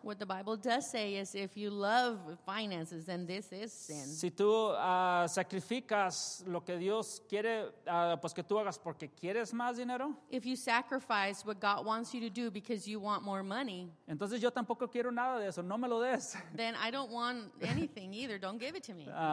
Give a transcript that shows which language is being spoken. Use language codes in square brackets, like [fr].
[en] What the Bible does say is if you love finances, then this is sin. [es] Si tú sacrificas lo que Dios quiere pues que tú hagas porque quieres más dinero, [en] if you sacrifice what God wants you to do because you want more money, [es] entonces yo tampoco quiero nada de eso, no me lo des. [en] Then I don't want anything either, don't give it to me.